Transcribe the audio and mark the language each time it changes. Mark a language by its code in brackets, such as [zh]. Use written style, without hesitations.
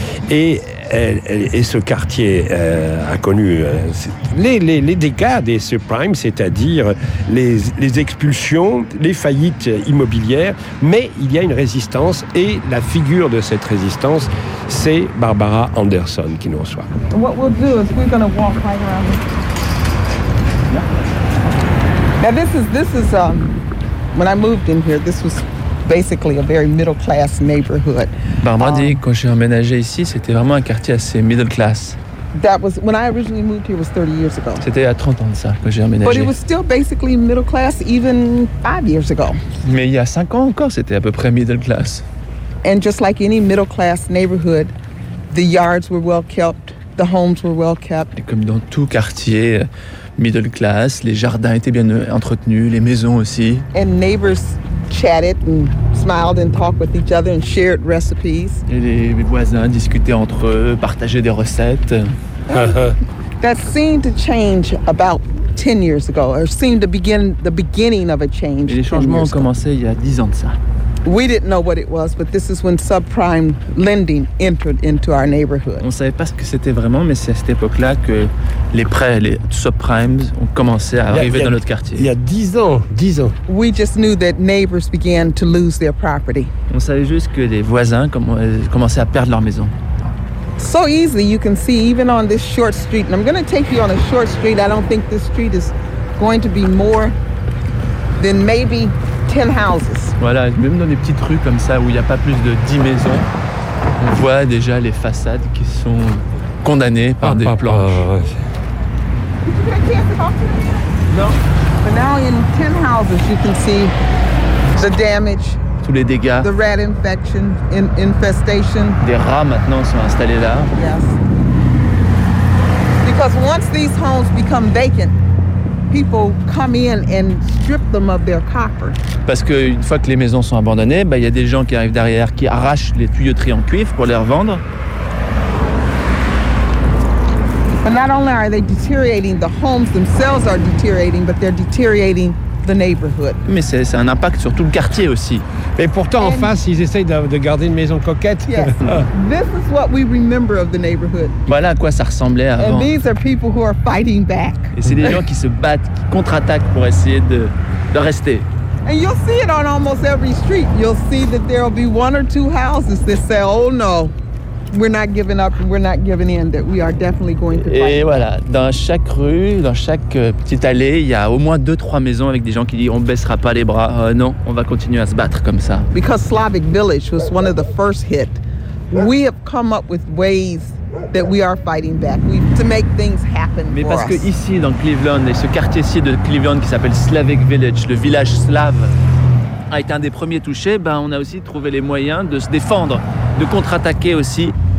[fr] et et ce quartier a connu les dégâts des subprimes, c'est-à-dire les expulsions, les faillites immobilières, mais il y a une résistance et la figure de cette résistance, c'est Barbara Anderson qui nous reçoit. [en] What we'll do is we're going to walk right around. Now this is when I moved in here, this was basically a very middle class neighborhood. [fr] Barbara dit quand j'ai emménagé ici, c'était vraiment un quartier assez middle class. [en] That was when I originally moved here was 30 years ago. [fr] C'était il y a 30 ans de ça que j'ai emménagé. [en] But it was still basically middle class even 5 years ago. [fr] Mais il y a 5 ans encore, c'était à peu près middle class. [en] And just like any middle class neighborhood, the yards were well kept, the homes were well kept. [fr] Et comme dans tout quartier middle class, les jardins étaient bien entretenus, les maisons aussi. [en] And neighbors chatted and smiled and talked with each other and shared recipes. [fr] Et les voisins discutaient entre eux, partageaient des recettes. [en] That seemed to change about 10 years ago, or seemed to begin the beginning of a change. [fr] Et les changements ont commencé il y a 10 ans de ça. [en] We didn't know what it was, but this is when subprime lending entered into our neighborhood. [fr] On savait pas ce que c'était vraiment, mais c'est à cette époque-là que les prêts, les subprimes, ont commencé à arriver dans notre quartier. Il y a 10 ans. [en] We just knew that neighbors began to lose their property. [fr] On savait juste que les voisins commençaient à perdre leur maison. [en] so easily. You can see even on this short street, and I'm going to take you on a short street. I don't think this street is going to be more than maybe 10 houses. [fr] Voilà, même dans des petites rues comme ça où il n'y a pas plus de 10 maisons, on voit déjà les façades qui sont condamnées par des planches. [en] No. But now in 10 houses you can see the damage. [fr] Tous les dégâts. [en] The rat infection, infestation. [fr] Des rats maintenant sont installés là. [en] Yes. Because once these homes become vacant, people come in and strip them of their copper. [fr] Parce que une fois que les maisons sont abandonnées, bah il y a des gens qui arrivent derrière qui arrachent les tuyauteries en cuivre pour les revendre. [en] But not only are they deteriorating, the homes themselves are deteriorating, but they're deteriorating the neighborhood. [fr] Mais c'est un impact sur tout le quartier aussi. Et pourtant, en face, ils essayent de garder une maison coquette. [en] Yes. This is what we remember of the neighborhood. [fr] Voilà à quoi ça ressemblait avant. [en] And these are people who are fighting back. [fr] Et c'est des gens qui se battent, qui contre-attaquent pour essayer de rester. [en] And you'll see it on almost every street. You'll see that there will be one or two houses that say, oh no. We're not giving up, we're not giving in, that we are definitely going to fight. [fr] Et voilà, dans chaque rue, dans chaque petite allée, il y a au moins 2-3 maisons avec des gens qui disent on baissera pas les bras, non, on va continuer à se battre comme ça. [en] Because Slavic Village was one of the first hit, we have come up with ways that we are fighting back, to make things happen. [fr] Mais parce que ici, dans Cleveland, et ce quartier-ci de Cleveland qui s'appelle Slavic Village, le village slave, a été un des premiers touchés, ben on a aussi trouvé les moyens de se défendre, de contre-attaquer aussi.